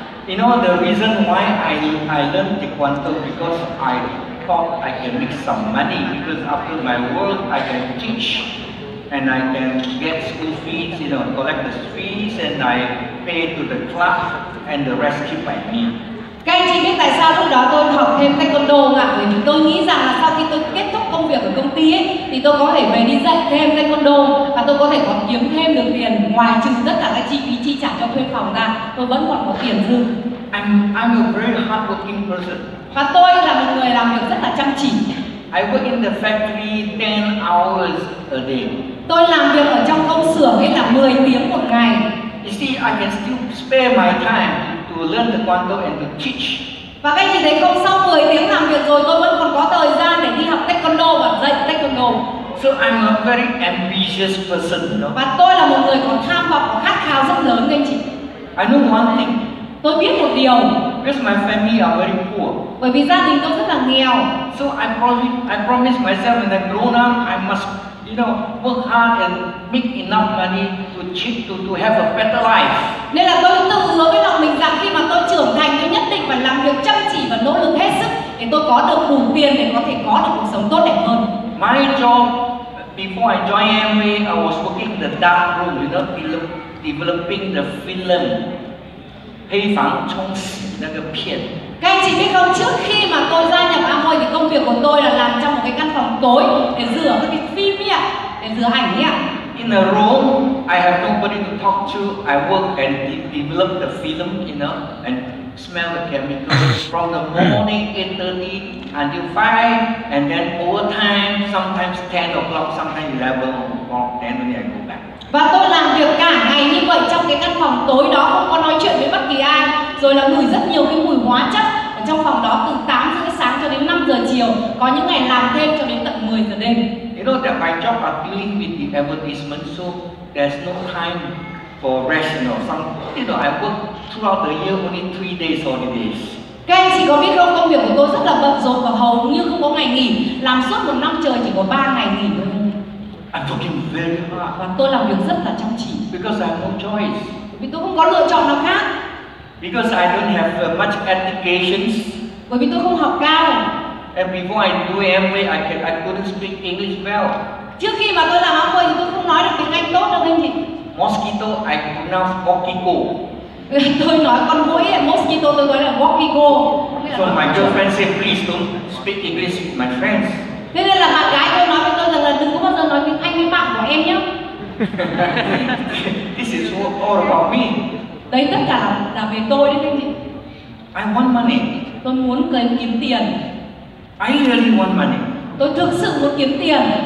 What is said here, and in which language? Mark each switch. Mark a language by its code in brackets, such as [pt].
[en] You know the reason why I learned Taekwondo because I thought I can make some money because after my work I can teach and I can get school fees, you know, collect the fees and I pay to the club and the rest keep by me. [vi] Các anh chị biết tại sao lúc đó tôi học thêm Taekwondo không ạ? Bởi vì tôi nghĩ rằng là sau khi tôi kết thúc công việc ở công ty ấy, thì tôi có thể về đi dạy thêm Taekwondo và tôi có thể còn kiếm thêm được tiền ngoài trừ tất cả các chi phí chi trả cho thuê phòng ra, tôi vẫn còn có tiền dư. [en] I'm a very hardworking person. [vi] Và tôi là một người làm việc rất là chăm chỉ. [en] I work in the factory 10 hours a day. [vi] Tôi làm việc ở trong công xưởng ấy là 10 tiếng một ngày. [en] You see, I can still spare my time to learn the Taekwondo and to teach. [vi] Và các anh chị thấy không, sau 10 tiếng làm việc rồi tôi vẫn còn có thời gian để đi học Taekwondo và dạy Taekwondo. [en] So I'm a very ambitious person, you know. [vi] Và tôi là một người có tham vọng, có khát khao rất lớn anh chị. [en] I know one thing. [vi] Tôi biết một điều. [en] Because my family are very poor. [vi] Bởi vì gia đình tôi rất là nghèo. [en] So I promise myself when I grown up I must, you know, work hard and make enough money to have a better life. [vi] Nên là tôi tự hứa với lòng mình rằng khi mà tôi trưởng thành tôi nhất định phải làm việc chăm chỉ và nỗ lực hết sức để tôi có được đủ tiền để có thể có được cuộc sống tốt đẹp hơn. [en] My job before I joined Amway, I was working in the dark room, you know, developing the film. [zh] 黑房冲洗那个片。 [vi] các anh chị biết không, trước khi mà tôi gia nhập Amway thì công việc của tôi là làm trong một cái căn phòng tối để rửa các cái phim ấy ạ, để rửa ảnh ấy ạ. [en] In a room, I have nobody to talk to. I work and develop the film, you know, and smell the chemicals from the morning 8:30 until 5, and then overtime, sometimes 10 o'clock, sometimes 11 o'clock, then only I go back. [vi] Và tôi làm việc cả ngày như vậy trong cái căn phòng tối đó, không có nói chuyện với bất kỳ ai, rồi là ngửi rất nhiều cái mùi hóa chất ở trong phòng đó từ 8 rưỡi sáng cho đến 5 giờ chiều, có những ngày làm thêm cho đến tận 10 giờ đêm. [en] You know that my job are dealing with the advertisement, so there's no time for rational. Some, you know, I work throughout the year only 3 days holidays. [vi] Các anh chị có biết không, công việc của tôi rất là bận rộn và hầu như không có ngày nghỉ, làm suốt một năm trời chỉ có 3 ngày nghỉ thôi. [en] I'm talking very hard. [vi] Và tôi làm việc rất là chăm chỉ. [en] Because I have no choice. [vi] Vì tôi không có lựa chọn nào khác. [en] Because I don't have much education. [vi] Bởi vì tôi không học cao. [en] And before I do Amway, I couldn't speak English well. [vi] Trước khi mà tôi làm Amway thì tôi không nói được tiếng Anh tốt đâu anh chị. [en] Mosquito, I pronounce Wokiko. [vi] Tôi nói con mũi ấy, mosquito tôi nói là Wokiko. [en] So my girlfriend said, please don't speak English with my friends. [vi] Thế nên là bạn gái tôi nói với tôi rằng là đừng có bao giờ nói tiếng Anh với bạn của em nhé. [en] This is all about me. [vi] Đấy, tất cả là về tôi đấy anh chị. [en] I want money. [vi] Tôi muốn kiếm tiền. [en] I really want money. [vi] Tôi thực sự muốn kiếm tiền.